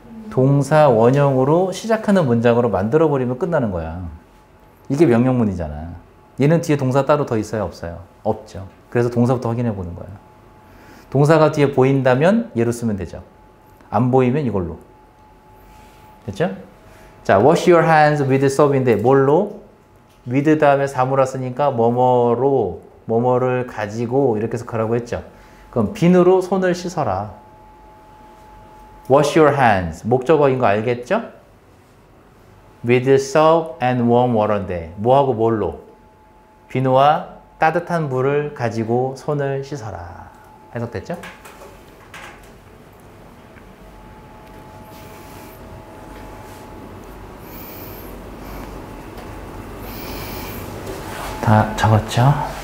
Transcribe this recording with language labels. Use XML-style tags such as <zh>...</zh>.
<ko>동사 원형으로 시작하는 문장으로 만들어버리면 끝나는 거야. 이게 명령문이잖아. 얘는 뒤에 동사 따로 더 있어요? 없어요? 없죠. 그래서 동사부터 확인해보는 거야. 동사가 뒤에 보인다면 얘로 쓰면 되죠. 안 보이면 이걸로. 됐죠?</ko> <en>자, wash your hands with soap인데</en> <ko>뭘로? with 다음에 사물화 쓰니까 뭐뭐로, 뭐뭐를 가지고 이렇게 해서 가라고 했죠. 그럼 비누로 손을 씻어라.</ko> <en>Wash your hands.</en> <ko>목적어인 거 알겠죠?</ko> <en>With soap and warm water인데</en> <ko>뭐하고 뭘로? 비누와 따뜻한 물을 가지고 손을 씻어라. 해석됐죠? 다 적었죠?</ko>